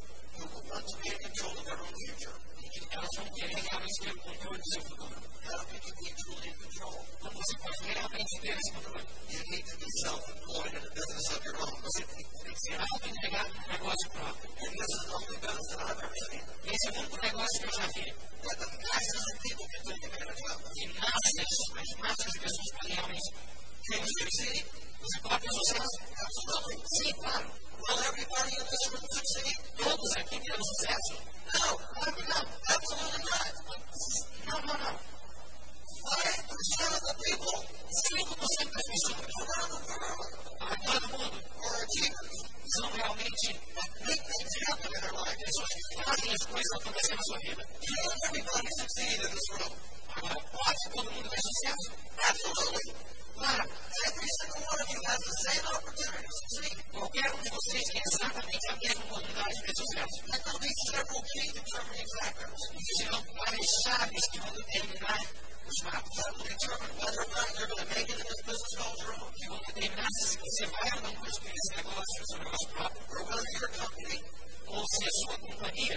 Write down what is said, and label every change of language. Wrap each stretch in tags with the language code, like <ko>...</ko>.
<en>Who will want to be in control of their own future.</en> <pt>E que elas vão querer realmente ter o controle do seu futuro.</pt> <en>How can you be truly in control?</en> <pt>Quando você pode realmente ter esse controle.</pt> <en>You need to be self-employed in a business of your own.</en> <pt>Você tem que ser auto-empregado num negócio próprio.</pt> <en>And this is the only business that I've ever seen.</en> <pt>Esse é o único negócio que eu já vi.</pt> <en>But the masses of people can take advantage of.</en> <pt>Que masses, as masses de pessoas podem realmente.</pt> <en>Can you succeed?</en> <pt>Você pode ter sucesso?</pt> <en>Absolutely.</en> <pt>Sim, claro.</pt> <en>Will everybody in this room succeed?</en> <pt>Ao redor do mundo.</pt> <en>Are achievers.</en> <pt>São realmente</pt> <en>make things happen in their life.</en> <pt>Pessoas que fazem as coisas acontecer na sua vida.</pt> <en>Can everybody succeed in this room?</en> <pt>Agora, pode todo mundo ter sucesso?</pt> <en>Absolutely.</en> <pt>Claro.</pt> <en>Every single one of you has the same opportunity to succeed.</en> <pt>Qualquer um de vocês tem exatamente a mesma oportunidade de ter sucesso.</pt> <en>And there will be several key determining factors.</en> <pt>Existirão várias chaves que vão determinar.</pt> <en>That will determine whether or not you're going to make it in this business called your own. You will determine if you're going to make it in this business called your own. Or whether your company, or if your company,</en>